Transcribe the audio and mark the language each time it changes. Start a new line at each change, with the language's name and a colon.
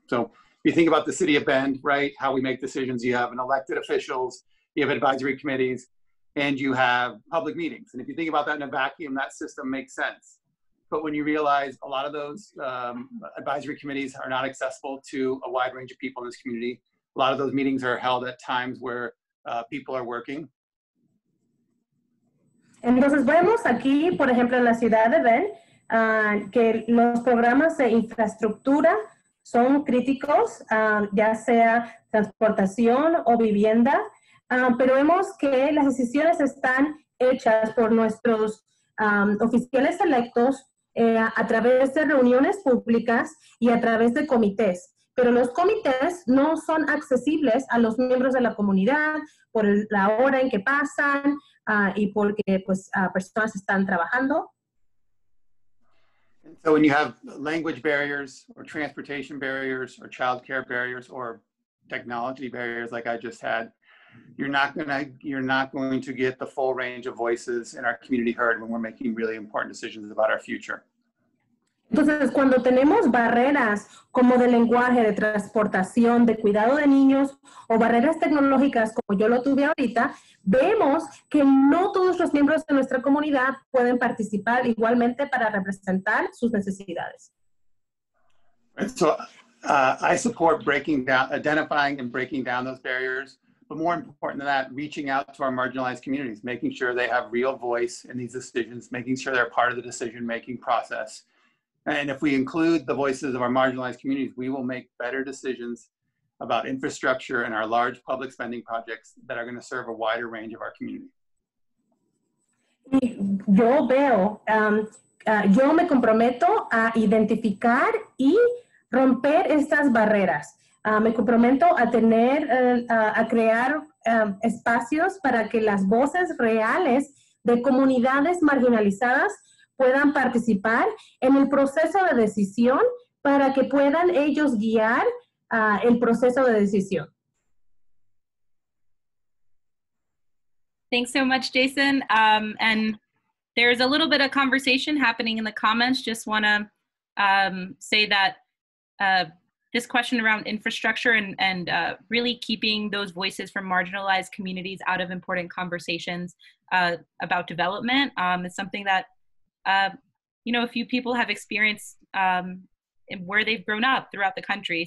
English: So if you think about the city of Bend, right, how we make decisions, you have an elected officials, you have advisory committees, and you have public meetings. And if you think about that in a vacuum, that system makes sense. But when you realize a lot of those advisory committees are not accessible to a wide range of people in this community, a lot of those meetings are held at times where people are working.
Spanish: Entonces vemos aquí, por ejemplo, en la ciudad de Bend, que los programas de infraestructura son críticos, ya sea transportación o vivienda, pero vemos que las decisiones están hechas por nuestros oficiales electos a través de reuniones públicas y a través de comités. Pero los comités no son accesibles a los miembros de la comunidad por la hora en que pasan y porque pues personas están trabajando.
English: So when you have language barriers or transportation barriers or childcare barriers or technology barriers like I just had, you're not going to get the full range of voices in our community heard when we're making really important decisions about our future.
Spanish: Entonces, cuando tenemos barreras como de lenguaje, de transportación, de cuidado de niños, o barreras tecnológicas como yo lo tuve ahorita, vemos que no todos los miembros de nuestra comunidad pueden participar igualmente para representar sus necesidades.
English: So, I support breaking down, identifying and breaking down those barriers, but more important than that, reaching out to our marginalized communities, making sure they have real voice in these decisions, making sure they're part of the decision-making process. And if we include the voices of our marginalized communities, we will make better decisions about infrastructure and our large public spending projects that are going to serve a wider range of our community.
Spanish: Yo veo, yo me comprometo a identificar y romper estas barreras. Me comprometo a tener, a crear espacios para que las voces reales de comunidades marginalizadas puedan participar en el proceso de decisión para que puedan ellos guiar el proceso de decisión.
English: Thanks so much, Jason. And there's a little bit of conversation happening in the comments. Just want to say that this question around infrastructure and really keeping those voices from marginalized communities out of important conversations about development is something that, you know, a few people have experienced in where they've grown up throughout the country.